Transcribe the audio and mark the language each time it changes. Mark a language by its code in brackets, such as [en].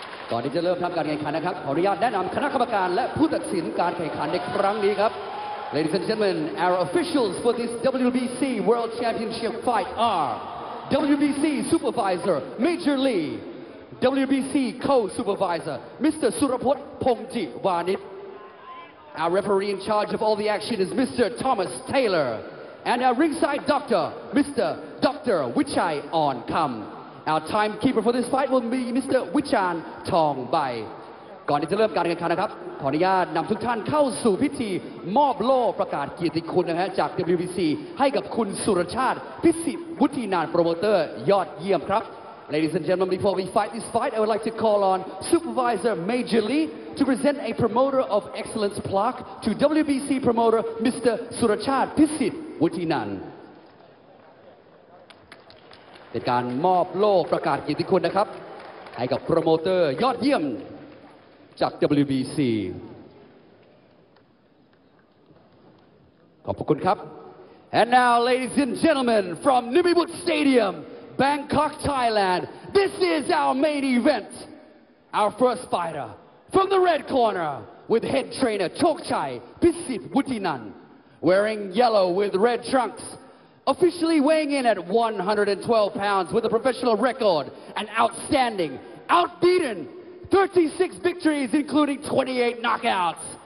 [th] ก่อนที่จะเริ่มทำการแข่งขันนะครับขออนุญาตแนะนำคณะกรรมการและผู้ตัดสินการแข่งขันในครั้งนี้ครับ [en] Ladies and gentlemen, our officials for this WBC World Championship fight are WBC Supervisor Major Lee, WBC Co-Supervisor Mr. Suraphat Pongji Wanit. Our referee in charge of all the action is Mr. Thomas Taylor. And our ringside doctor, Mr. Dr. Wichai On Kam. Our timekeeper for this fight will be Mr. Wichan Thong Bai. [th] ก่อนที่จะเริ่มการแข่งขันนะครับขออนุญาตนำทุกท่านเข้าสู่พิธีมอบโล่ประกาศเกียรติคุณนะฮะจาก WBC ให้กับคุณสุรชาติพิสิทธิ์วุฒินานโปรโมเตอร์ยอดเยี่ยมครับ [en] Ladies and gentlemen, before we fight this fight, I would like to call on Supervisor Major Lee to present a promoter of excellence plaque to WBC promoter Mr. Surachat Pisitt. [th] วุฒินันท์เป็นการมอบโล่ประกาศเกียรติคุณนะครับให้กับโปรโมเตอร์ยอดเยี่ยมจาก WBC ขอบคุณครับ [en] And now, ladies and gentlemen, from Numibut Stadium, Bangkok, Thailand, this is our main event. Our first fighter from the red corner with head trainer Chokchai Pisit Wutinan, wearing yellow with red trunks, officially weighing in at 112 pounds with a professional record, an outstanding, outbeaten 36 victories, including 28 knockouts.